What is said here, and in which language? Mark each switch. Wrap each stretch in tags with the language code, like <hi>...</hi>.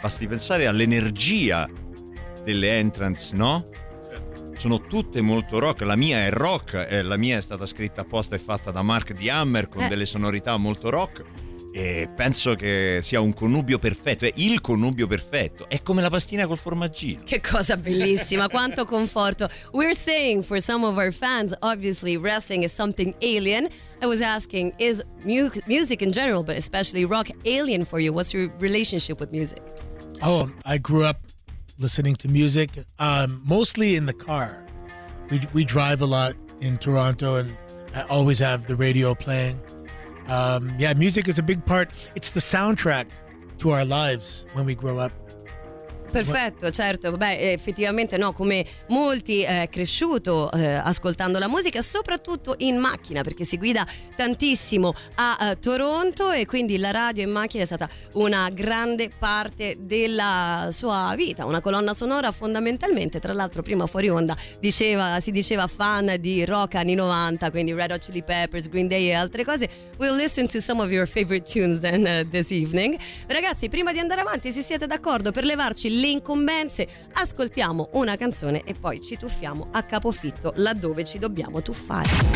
<it>Basti pensare all'energia delle entrance, no? Sono tutte molto rock. La mia è rock, la mia è stata scritta apposta e fatta da Mark D. Hammer con delle sonorità molto rock, e penso che sia un connubio perfetto, è il connubio perfetto, è come la pastina col formaggino. Che cosa bellissima, quanto conforto.</it> <en>We're saying for some of our fans, obviously wrestling is something alien. I was asking, is music in general, but especially rock, alien for you? What's your relationship with music? Oh, I grew up listening to music, mostly in the car. We drive a lot in Toronto, and I always have the radio playing. Yeah, music is a big part. It's the soundtrack to our lives when we grow up.</en> <it>Perfetto, certo. Beh, effettivamente, no, come molti è cresciuto ascoltando la musica, soprattutto in macchina, perché si guida tantissimo a Toronto, e quindi la radio in macchina è stata una grande parte della sua vita, una colonna sonora fondamentalmente. Tra l'altro, prima fuori onda si diceva fan di rock anni 90, quindi Red Hot Chili Peppers, Green Day e altre cose.</it> <en>We'll listen to some of your favorite tunes then this evening.</en> <it>Ragazzi, prima di andare avanti, se siete d'accordo per levarci le incombenze, ascoltiamo una canzone e poi ci tuffiamo a capofitto laddove ci dobbiamo tuffare.</it>